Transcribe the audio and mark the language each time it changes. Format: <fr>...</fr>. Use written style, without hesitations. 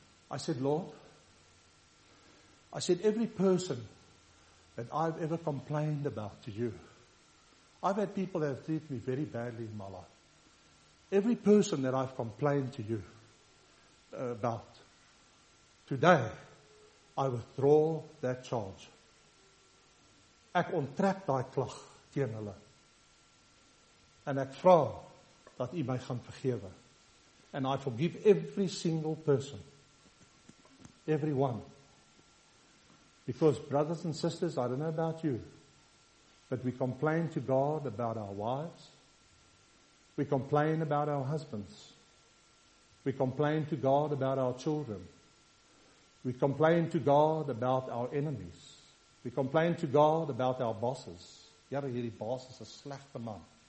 <en>I said, Lord, I said, every person that I've ever complained about to you, I've had people that have treated me very badly in my life. Every person that I've complained to you about, today, I withdraw that charge.</en> <af>Ek onttrek daai klag teen hulle. En ek vra dat u my gaan vergewe.</af> <en>And I forgive every single person. Everyone. Because brothers and sisters, I don't know about you, but we complain to God about our wives. We complain about our husbands. We complain to God about our children. We complain to God about our enemies. We complain to God about our bosses.</en> <af>Jy het hierdie baas is 'n slegte man.</af>